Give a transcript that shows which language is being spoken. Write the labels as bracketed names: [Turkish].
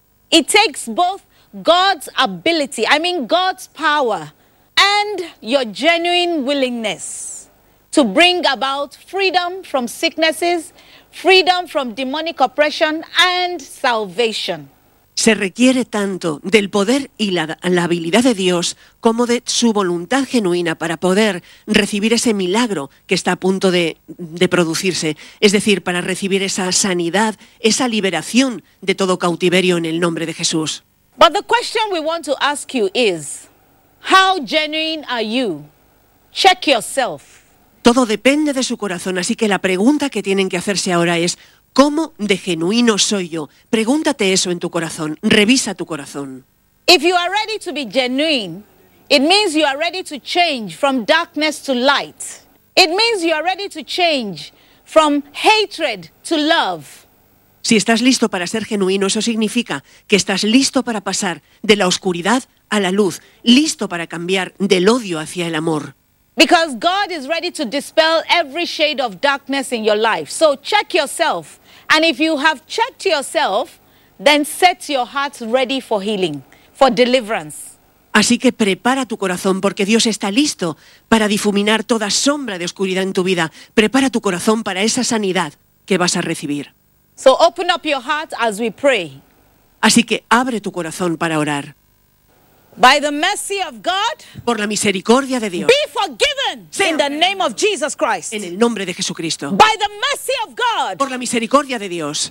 [English] It takes both God's ability, I mean God's power, and your genuine willingness to bring about freedom from sicknesses, freedom from demonic oppression, and salvation. [Spanish] Se requiere tanto del poder y la habilidad de Dios como de su voluntad genuina para poder recibir ese milagro que está a punto de producirse. Es decir, para recibir esa sanidad, esa liberación de todo cautiverio en el nombre de Jesús. [English] But the question we want to ask you is, how genuine are you? Check yourself. [Spanish] Todo depende de su corazón, así que la pregunta que tienen que hacerse ahora es, ¿cómo de genuino soy yo? Pregúntate eso en tu corazón. Revisa tu corazón. [English] If you are ready to be genuine, it means you are ready to change from darkness to light. It means you are ready to change from hatred to love. [Spanish] Si estás listo para ser genuino, eso significa que estás listo para pasar de la oscuridad a la luz, listo para cambiar del odio hacia el amor. [English] Because God is ready to dispel every shade of darkness in your life. So check yourself. And if you have checked yourself, then set your heart ready for healing, for deliverance. [Spanish] Así que prepara tu corazón porque Dios está listo para difuminar toda sombra de oscuridad en tu vida. Prepara tu corazón para esa sanidad que vas a recibir. [English] So open up your heart as we pray. [Spanish] Así que abre tu corazón para orar. [English] By the mercy of God, [Spanish] por la misericordia de Dios, [English] be forgiven in the name of Jesus Christ. [Spanish] En el nombre de Jesucristo. [English] By the mercy of God, [Spanish] por la misericordia de Dios,